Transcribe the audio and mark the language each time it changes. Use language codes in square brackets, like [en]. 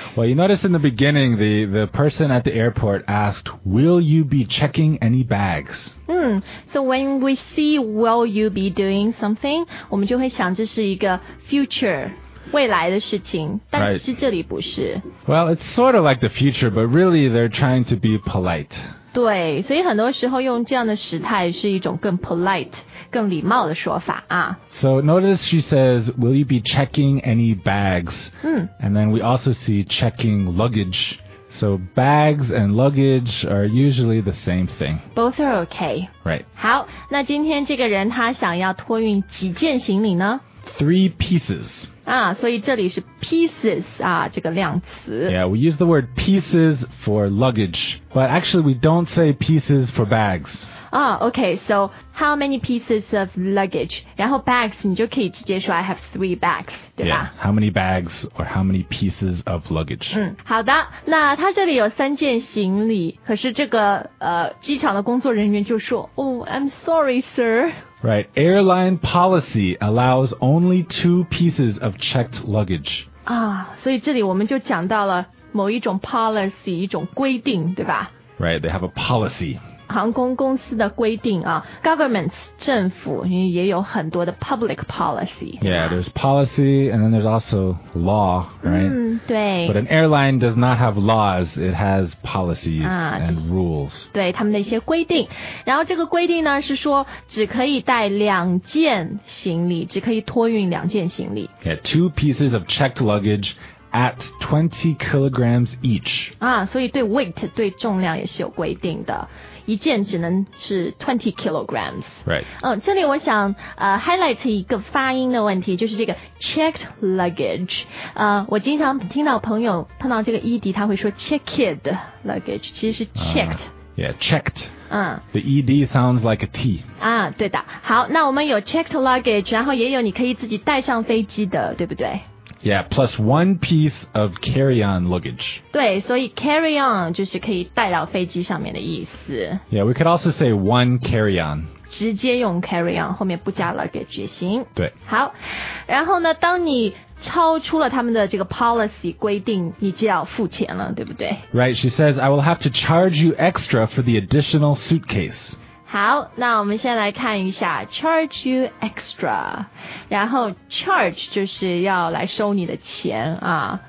[en] Well, you notice in the beginning, the person at the airport asked, "Will you be checking any bags?" So when we see, "Will you be doing something?" [zh] 我们就会想这是一个 future. 未来的事情，但是这里不是。 [en] Right. Well, it's sort of like the future, but really they're trying to be polite. [zh] 对，所以很多时候用这样的时态是一种更 polite, 更礼貌的说法啊。 [en] So notice she says, will you be checking any bags? And then we also see checking luggage. So bags and luggage are usually the same thing. Both are okay. Right. [zh] 好，那今天这个人他想要托运几件行李呢？ [en] 3 pieces. [zh] 所以这里是 pieces 啊，这个量词。 [en] Yeah, we use the word pieces for luggage, but actually we don't say pieces for bags. Okay, so how many pieces of luggage? [zh] 然后 bags 你就可以直接说 [en] I have 3 bags, [zh] 对吧？ [en] Yeah, how many bags or how many pieces of luggage? [zh] 好的，那他这里有3件行李，可是这个机场的工作人员就说 [en] Oh, I'm sorry, sir. Right, airline policy allows only 2 pieces of checked luggage. [zh] 所以这里我们就讲到了某一种 policy, 一种规定，对吧？ [en] Right, they have a policy. [zh] 航空公司的规定啊 governments, 政府也有很多的 public policy. [en] Yeah, there's policy and then there's also law, right? [zh] 对。 [en] But an airline does not have laws, it has policies and rules. [zh] 对，他们的一些规定。然后这个规定呢是说只可以带2件行李，只可以托运2件行李。 [en] Yeah, 2 pieces of checked luggage at 20 kilograms each. [zh] 所以对 weight, 对重量也是有规定的。一件只能是 20 kilograms. [en] Right. [zh] 这里我想highlight 一个发音的问题，就是这个 checked luggage. 我经常听到朋友碰到这个 ED, 他会说 checked luggage, 其实是 checked. [en] Yeah, checked. The ED sounds like a T. [zh] 对的。好，那我们有 checked luggage, 然后也有你可以自己带上飞机的，对不对？ [en] Yeah, plus 1 piece of carry-on luggage. [zh] 对，所以 carry-on 就是可以带到飞机上面的意思。 [en] Yeah, we could also say 1 carry-on. [zh] 直接用 carry-on, 后面不加 luggage 也行。对。好，然后呢，当你超出了他们的这个 policy 规定，你就要付钱了，对不对？ [en] Right, she says, I will have to charge you extra for the additional suitcase. [zh] 好，那我们先来看一下 [en] charge you extra, [zh] 然后 charge 就是要来收你的钱啊。